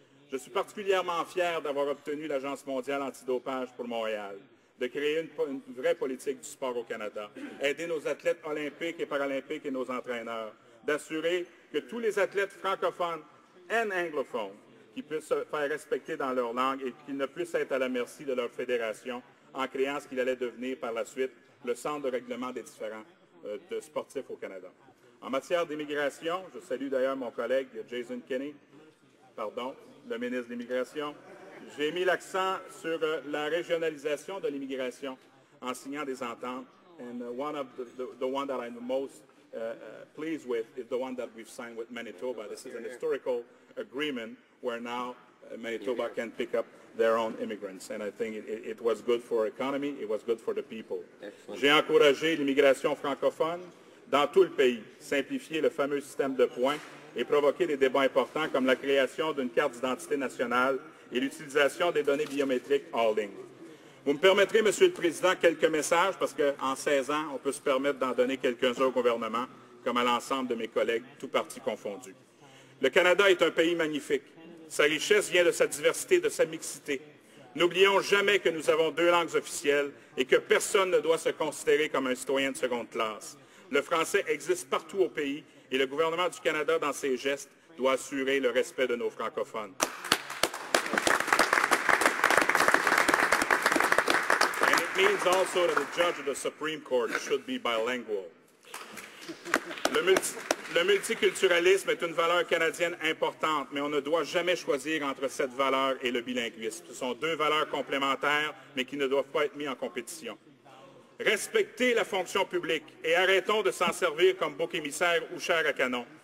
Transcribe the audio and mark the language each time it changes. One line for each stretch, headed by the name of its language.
French: Je suis particulièrement fier d'avoir obtenu l'Agence mondiale antidopage pour Montréal, de créer une vraie politique du sport au Canada, aider nos athlètes olympiques et paralympiques et nos entraîneurs, d'assurer que tous les athlètes francophones et anglophones qui puissent se faire respecter dans leur langue et qu'ils ne puissent être à la merci de leur fédération en créant ce qu'il allait devenir par la suite le centre de règlement des différends de sportifs au Canada. En matière d'immigration, je salue d'ailleurs mon collègue Jason Kenney, pardon, le ministre de l'Immigration. J'ai mis l'accent sur la régionalisation de l'immigration en signant des ententes.
English: And one of the one that I'm the most pleased with is the one that we've signed with Manitoba. This is an historical agreement where now Manitoba can pick up their own immigrants. And I think it was good for economy, it was good for the people.
French: J'ai encouragé l'immigration francophone dans tout le pays, simplifier le fameux système de points et provoquer des débats importants comme la création d'une carte d'identité nationale et l'utilisation des données biométriques en ligne. Vous me permettrez, Monsieur le Président, quelques messages, parce qu'en 16 ans, on peut se permettre d'en donner quelques-uns au gouvernement, comme à l'ensemble de mes collègues, tous partis confondus. Le Canada est un pays magnifique. Sa richesse vient de sa diversité, de sa mixité. N'oublions jamais que nous avons deux langues officielles et que personne ne doit se considérer comme un citoyen de seconde classe. Le français existe partout au pays et le gouvernement du Canada, dans ses gestes, doit assurer le respect de nos francophones.
English: And it means also that the judge of the Supreme Court should be bilingual.
French: Le multiculturalisme est une valeur canadienne importante, mais on ne doit jamais choisir entre cette valeur et le bilinguisme. Ce sont deux valeurs complémentaires, mais qui ne doivent pas être mises en compétition. Respectez la fonction publique et arrêtons de s'en servir comme bouc émissaire ou chair à canon.